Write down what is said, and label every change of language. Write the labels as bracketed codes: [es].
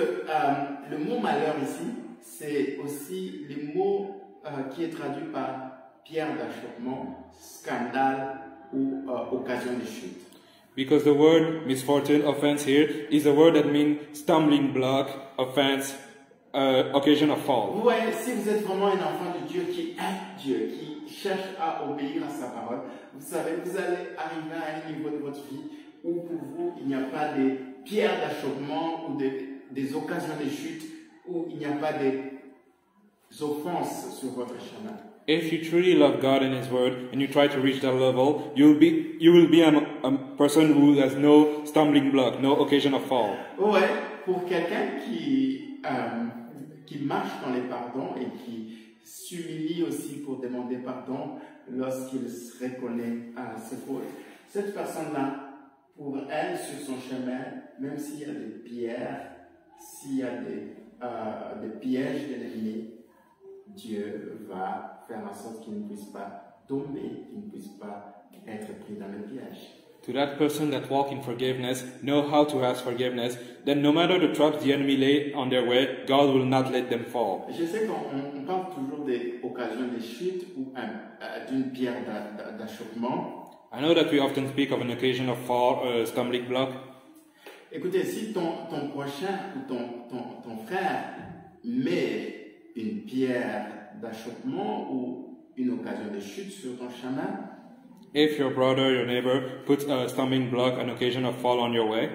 [fr] Que le mot malheur ici, c'est aussi le mot qui est traduit par pierre d'achoppement, scandale ou occasion de chute. [en] Because the word misfortune, offense here, is a word that means stumbling block, offense, occasion of fall. [fr] Vous voyez, si vous êtes vraiment un enfant de Dieu qui aime Dieu, qui cherche à obéir à sa parole, vous savez, vous allez arriver à un niveau de votre vie où pour vous, il n'y a pas de pierre d'achoppement ou des occasions de chute. Où il n'y a pas des offenses sur votre chemin. [en] If you truly love God and His Word and you try to reach that level, you will be a person who has no stumbling block, no occasion of fall. [fr] Ouais, pour quelqu'un qui marche dans les pardons et qui s'humilie aussi pour demander pardon lorsqu'il se reconnaît à ses fautes. Cette personne-là, pour elle, sur son chemin, même s'il y a des pierres, s'il y a des pièges de l'ennemi, Dieu va faire en sorte qu'il ne puisse pas tomber, qu'il ne puisse pas être pris dans le piège. [en] To that person that walk in forgiveness, know how to ask forgiveness, then no matter the traps the enemy lay on their way, God will not let them fall. [fr] Je sais qu'on parle toujours des occasions de chute ou d'une pierre d'achoppement. [en] I know that we often speak of an occasion of fall, stumbling block. [fr] Écoutez, si ton prochain ou ton frère met une pierre d'achoppement ou une occasion de chute sur ton chemin, [en] if your brother, your neighbor puts a stumbling block, an occasion of fall on your way,